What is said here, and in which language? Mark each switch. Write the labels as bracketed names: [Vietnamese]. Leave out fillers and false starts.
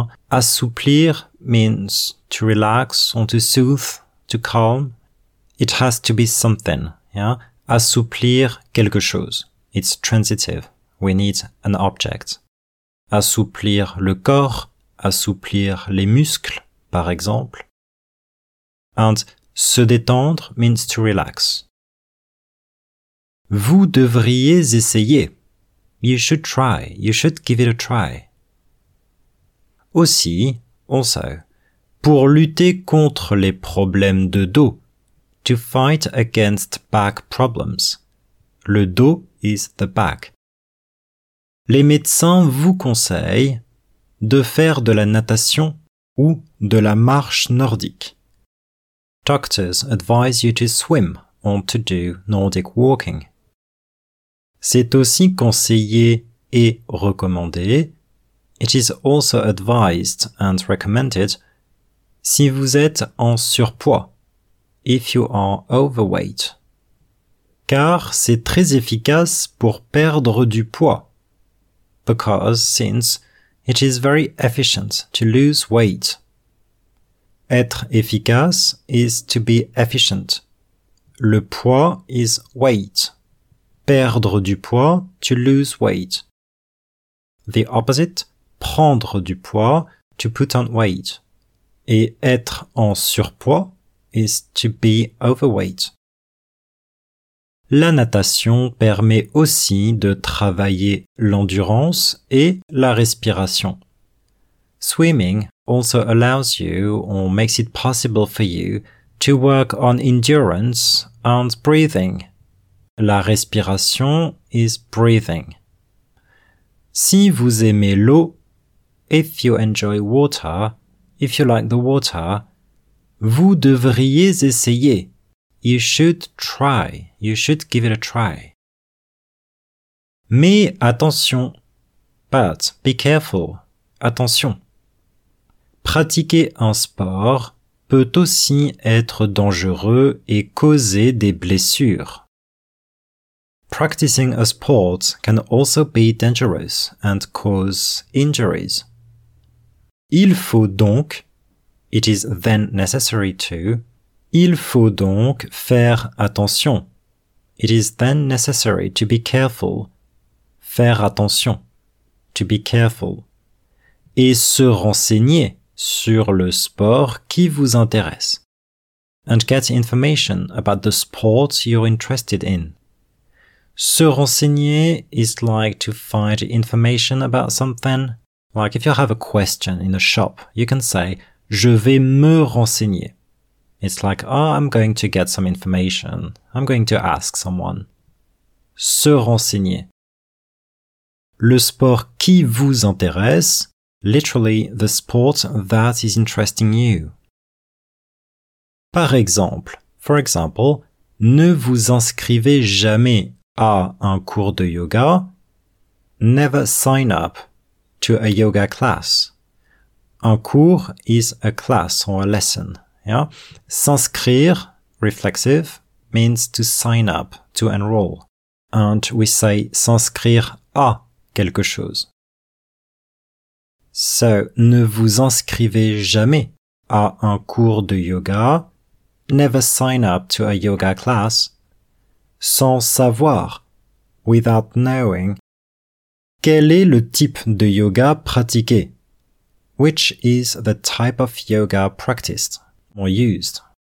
[English] Assouplir means to relax or to soothe, to calm. It has to be something, yeah? [French] Assouplir quelque chose. [English] It's transitive. We need an object. [French] Assouplir le corps, assouplir les muscles, par exemple. [English] And se détendre means to relax. [French] Vous devriez essayer. [English] You should try. You should give it a try. Aussi, also, [French] pour lutter contre les problèmes de dos, [English] to fight against back problems. Le dos is the back. [French] Les médecins vous conseillent de faire de la natation ou de la marche nordique. [English] Doctors advise you to swim or to do Nordic walking. [French] C'est aussi conseillé et recommandé. [English] It is also advised and recommended [French] si vous êtes en surpoids, [English] if you are overweight. [French] Car c'est très efficace pour perdre du poids. [English] Because, since, it is very efficient to lose weight. Être efficace is to be efficient. Le poids is weight. [French] Perdre du poids, [English] to lose weight. The opposite. [French] Prendre du poids, [English] to put on weight. Et [French] être en surpoids [English] is to be overweight. [French] la natation permet aussi de travailler l'endurance et la respiration. [English] Swimming also allows you or makes it possible for you to work on endurance and breathing. La respiration is breathing. [French] Si vous aimez l'eau, [English] if you enjoy water, if you like the water, [French] vous devriez essayer. [English] You should try, you should give it a try. [French] Mais attention, [English] but be careful, [French] attention. Pratiquer un sport peut aussi être dangereux et causer des blessures. [English] Practicing a sport can also be dangerous and cause injuries. [French] Il faut donc, [English] it is then necessary to, [French] il faut donc faire attention. [English] It is then necessary to be careful. [French] Faire attention. [English] To be careful. [French] Et se renseigner sur le sport qui vous intéresse. [English] And get information about the sport you're interested in. Se renseigner is like to find information about something. Like if you have a question in a shop, you can say, [French] je vais me renseigner. [English] It's like, oh, I'm going to get some information. I'm going to ask someone. [French] Se renseigner. Le sport qui vous intéresse, [English] literally, the sport that is interesting you. [French] Par exemple, [English] for example, [French] ne vous inscrivez jamais à un cours de yoga. [English] Never sign up to a yoga class. Un cours is a class or a lesson. Yeah. [French] S'inscrire, [English] reflexive, means to sign up, to enroll. And we say [French] s'inscrire à quelque chose. So, ne vous inscrivez jamais à un cours de yoga. [English] Never sign up to a yoga class. [French] Sans savoir, [English] without knowing, [French] quel est le type de yoga pratiqué? [English] Which is the type of yoga practiced? Or used.